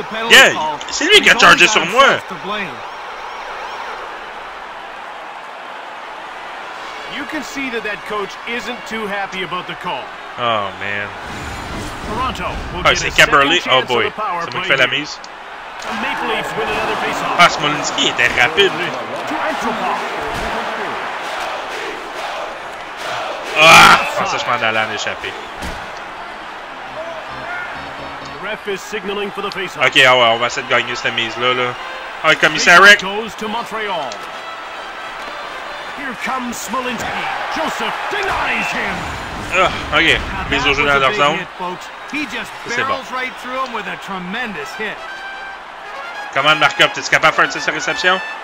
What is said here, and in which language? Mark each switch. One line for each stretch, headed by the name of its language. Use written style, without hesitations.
French: Yeah, c'est lui qui a chargé sur moi!
English: You can see that that coach isn't too happy about the call. Oh, man. Toronto will get a second chance of a power play here.
French: Ça m'a fait la mise.
English: The Maple Leafs win another face-off.
French: Ah, Smolinski était rapide, lui. Ah! Oh, ça, je m'en allais en échapper.
English: The ref is signaling for the face-off.
French: OK, ah ouais, on va essayer de gagner cette mise-là, là. Ah, commissaire
English: Rick! Here comes Smolinski. Joseph denies him.
French: Ah, OK. Mise au jeu dans leur zone.
English: He just barrels right through him with a tremendous hit.
French: Comment, Markov, t'es capable de faire sa réception?